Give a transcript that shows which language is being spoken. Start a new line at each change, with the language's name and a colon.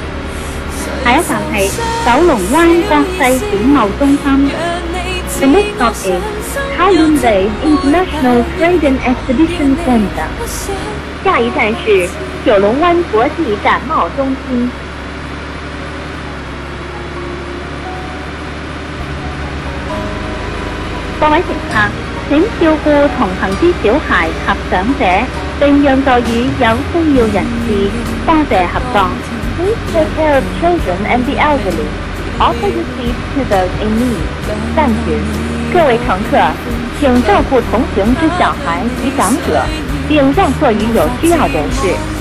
English: The next stop is Highland Bay International Trade and Exhibition Center.
Chinese: 下一站是九龙湾国际展贸中心。各位乘客，请照顾同行之小孩及长者，并让座与有需要人士。多谢合作。
English: Please take care of children and the elderly. Offer your seat to those in need. Thank you.
Chinese: 各位乘客，请照顾同行之小孩及长者，并让座与有需要人士。